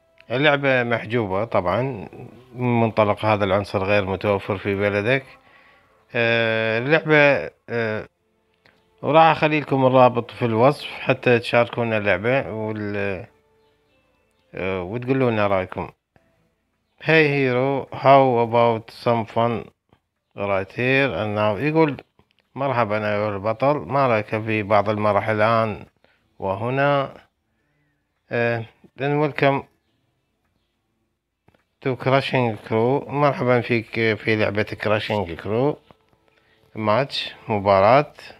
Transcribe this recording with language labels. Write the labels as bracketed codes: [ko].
[ar] اللعبة محجوبة طبعا من منطلق هذا العنصر غير متوفر في بلدك. اللعبة وراح أخلي لكم الرابط في الوصف حتى تشاركون اللعبة وتقولون رأيكم. [en] Hey hero, how about some fun right here and now. [ar] يقول مرحبا أيها البطل، ما رأيك في بعض المرح الآن وهنا؟ [en] then welcome to crushing crew. [ar] مرحبا فيك في لعبة crushing crew match، مباراة.